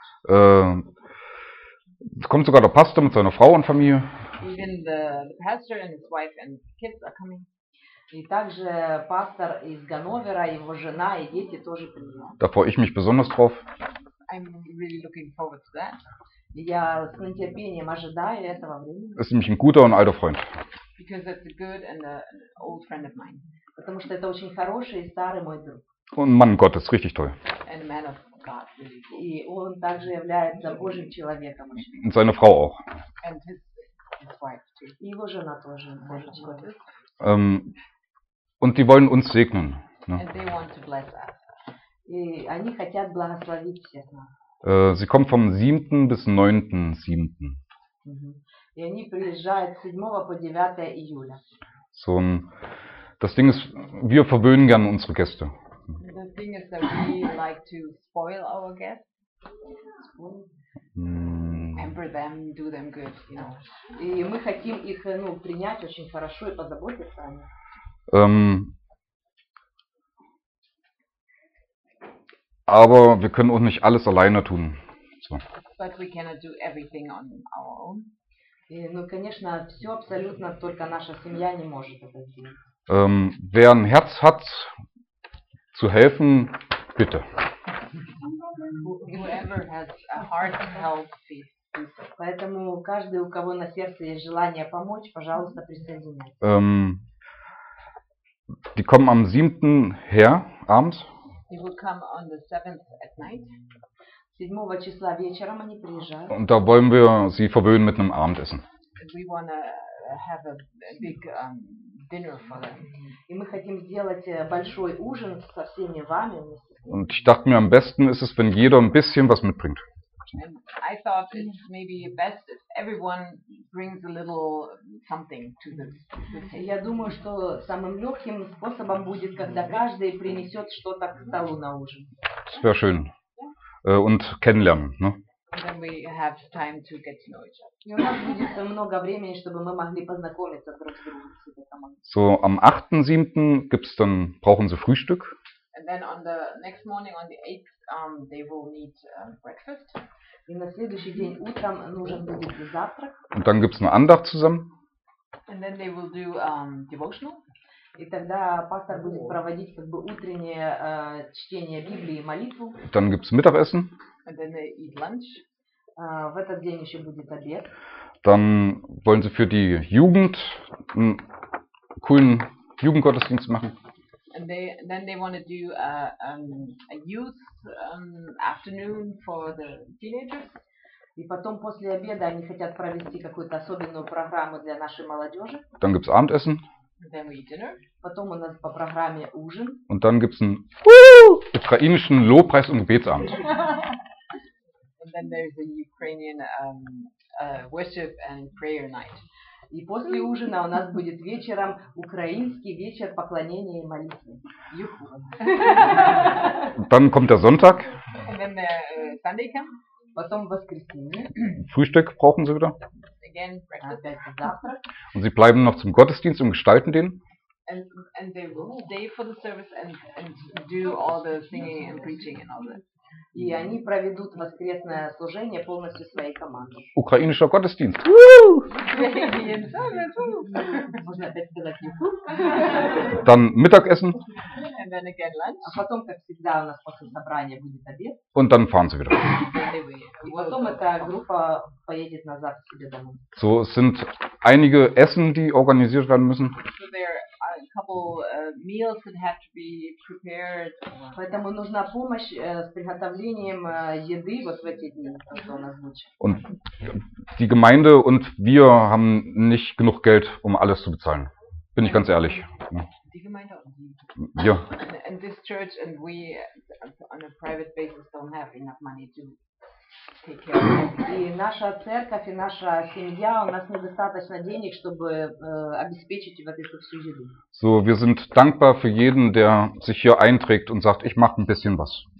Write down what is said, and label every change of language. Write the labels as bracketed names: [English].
[German] Es kommt sogar der Pastor mit seiner Frau und Familie. [English] Even the pastor and his wife and kids are coming. [Russian] И также пастор из Ганновера, его жена и дети тоже придут. [German] Da freue ich mich besonders drauf. [English] I'm really looking forward to that. [Russian] Я с нетерпением ожидаю этого времени. [German] Es ist nämlich ein guter und alter Freund. [English] Because that's a good and an old friend of mine. [Russian] Потому что это очень хороший и старый мой друг. [German] Und Mann Gottes, richtig toll. [English] And a man of God. [Russian] И он также является Божьим человеком. [German] Und seine Frau auch. [English] And his wife too. [Russian] И его жена тоже. [German] Und die wollen uns segnen. [English] Ne? And they want to bless us. [Russian] И они хотят благословить всех нас. [German] Sie kommen vom 7. bis 9.7. Mm-hmm. [Russian] И они приезжают с 7 по 9 июля. [German] So, das Ding ist, wir verwöhnen gerne unsere Gäste. [English] The thing is that we like to spoil our guests. Pamper them, do them good, you know. [Russian] И мы хотим их, ну, принять очень хорошо и позаботиться о них. [German] Aber wir können auch nicht alles alleine tun. So. [English] But we cannot do everything on our own. [Russian] Ну, конечно, все абсолютно, только наша семья не может это сделать. [German] Wer ein Herz hat, zu helfen, bitte. [English] Whoever has a heart to help, please. [Russian] Поэтому каждый, у кого на сердце есть желание помочь, пожалуйста, присоединяйтесь. [German] Die kommen am 7. her, abends. [English] They will come on the 7th at night. [Russian] 7 числа вечером они приезжают. [German] Und da wollen wir sie verwöhnen mit einem Abendessen. [English] We want to have a big dinner for them. [Russian] И мы хотим сделать большой ужин со всеми вами. [German] Und ich dachte mir, am besten ist es, wenn jeder ein bisschen was mitbringt. [English] And I thought it's maybe best if everyone brings a little something to this. [Russian] Я думаю, что самым легким способом будет, когда каждый принесет что-то к столу на ужин. [German] Sehr schön. Und kennenlernen, ne? [English] And then we have time to get to know each other. [Russian] И у нас будет много времени, чтобы мы могли познакомиться друг с другом. [German] So, am 8.7. gibt's dann, brauchen sie Frühstück. [English] And then on the next morning, on the 8th, they will need breakfast. [Russian] И на следующий день утром нужен будет завтрак. [German] Und dann gibt's eine Andacht zusammen. [English] And then they will do devotional. [Russian] И тогда пастор будет проводить как бы утреннее чтение Библии и молитву. [German] Dann gibt's Mittagessen. [English] And then they eat lunch. [Russian] В этот день еще будет обед. [German] Dann wollen sie für die Jugend einen coolen Jugendgottesdienst machen. [English] And then they want to do a youth afternoon for the teenagers. [Russian] И потом после обеда они хотят провести какую-то особенную программу для нашей молодежи. [German] Dann gibt's Abendessen. [English] Then we eat dinner. [Russian] Потом у нас по программе ужин. [German] Und dann gibt's einen ukrainischen Lobpreis- und Gebetsabend. [English] And then there's a Ukrainian worship and prayer night. [Russian] И после ужина у нас будет вечером украинский вечер поклонения и молитвы. Юху. [German] Dann kommt der Sonntag. [English] And then the Sunday comes. [Russian] Потом воскресенье. [German] Frühstück brauchen Sie wieder. [English] Again, breakfast, завтрак. [German] Und Sie bleiben noch zum Gottesdienst und gestalten den. [English] And they will stay for the service and do all the singing and preaching and all that. [Russian] И они проведут воскресное служение полностью своей командой. Украинский Gottesdienst. Можно опять сказать «Юху». [German] Dann Mittagessen. [English] And then again lunch. [Russian] А потом, как всегда, у нас после собрания будет обед. [German] Und dann fahren sie wieder. [Russian] И потом эта группа поедет назад к себе домой. [German] So, es sind einige Essen, die organisiert werden müssen. [English] So there are couple meals would have to be prepared. [Russian] Поэтому нужна помощь с приготовлением еды вот в эти дни, что у нас будет. [German] Und die Gemeinde und wir haben nicht genug Geld, um alles zu bezahlen. Bin ich ganz ehrlich. Die Gemeinde und die. Ja. [English] And this church and we on a private basis don't have enough money to. [Russian] И наша церковь и наша семья, у нас недостаточно денег, чтобы обеспечить вот эту всю еду. [German] So, wir sind dankbar für jeden, der sich hier einträgt und sagt, ich mache ein bisschen was.